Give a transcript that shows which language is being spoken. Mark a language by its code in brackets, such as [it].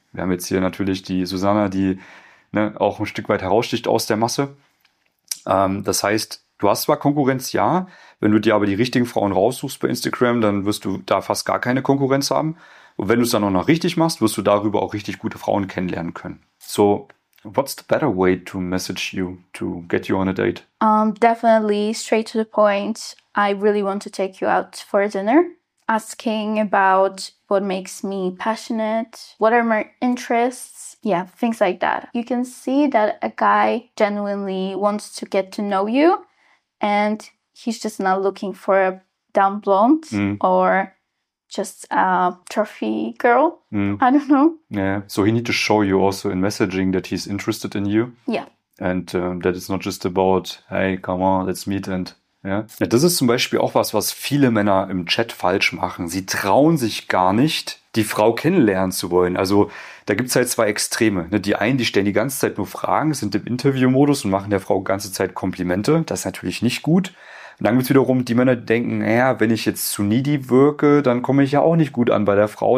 [de] Wir haben jetzt hier natürlich die Susanna, die auch ein Stück weit heraussticht aus der Masse. Das heißt, du hast zwar Konkurrenz, ja, wenn du dir aber die richtigen Frauen raussuchst bei Instagram, dann wirst du da fast gar keine Konkurrenz haben. Und wenn du es dann auch noch richtig machst, wirst du darüber auch richtig gute Frauen kennenlernen können. [en] So, what's the better way to message you, to get you on a date? Definitely straight to the point. I really want to take you out for dinner. Asking about what makes me passionate, what are my interests, yeah, things like that. You can see that a guy genuinely wants to get to know you and he's just not looking for a dumb blonde or just a trophy girl. Mm. I don't know. Yeah, so he needs to show you also in messaging that he's interested in you. Yeah. And that it's not just about, hey, come on, let's meet and... [de] Ja, das ist zum Beispiel auch was viele Männer im Chat falsch machen. Sie trauen sich gar nicht, die Frau kennenlernen zu wollen. Also da gibt es halt zwei Extreme. Die einen, die stellen die ganze Zeit nur Fragen, sind im Interviewmodus und machen der Frau die ganze Zeit Komplimente. Das ist natürlich nicht gut. Und dann gibt es wiederum die Männer, die denken, naja, wenn ich jetzt zu needy wirke, dann komme ich ja auch nicht gut an bei der Frau.